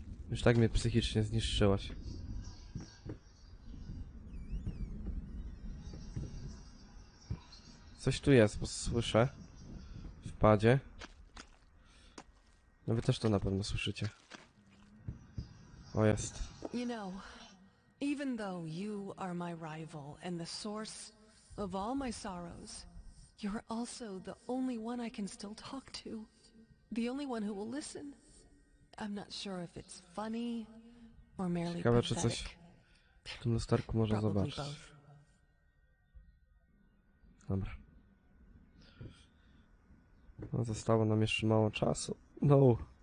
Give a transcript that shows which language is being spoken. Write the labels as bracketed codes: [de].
[pl] Już tak mnie psychicznie zniszczyłaś. Coś tu jest, bo słyszę. W padzie. No wy też to na pewno słyszycie. O, jest. [en] Even though you are my rival and the source of all my sorrows, you're also the only one I can still talk to. The only one who will listen. I'm not sure if it's funny or merely pathetic. [pl] Ciekawe, czy coś w tym lusterku można zobaczyć. Dobra. No, zostało nam jeszcze mało czasu. No.